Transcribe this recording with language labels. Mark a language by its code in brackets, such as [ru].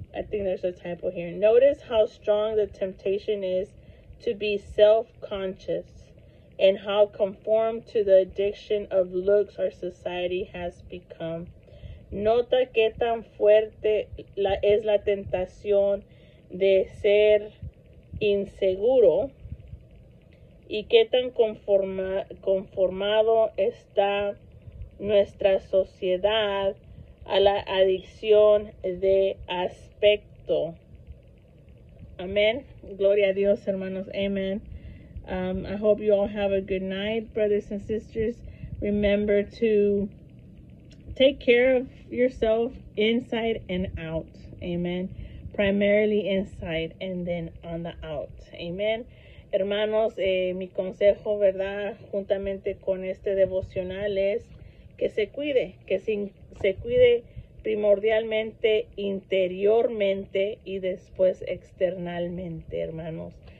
[en] Notice how strong the temptation is to be self-conscious, and how conformed to the addiction of looks our society has become. [es] Nota qué tan fuerte es la tentación de ser inseguro y qué tan conformado está nuestra sociedad a la adicción de aspecto. Amén. Gloria a Dios, hermanos. Amén. [en] I hope you all have a good night, brothers and sisters. Remember to take care of yourself inside and out. Amen. Primarily inside and then on the out. Amen. [es] Hermanos, mi consejo, verdad, juntamente con este devocional es que se cuide primordialmente, interiormente y después externamente, hermanos.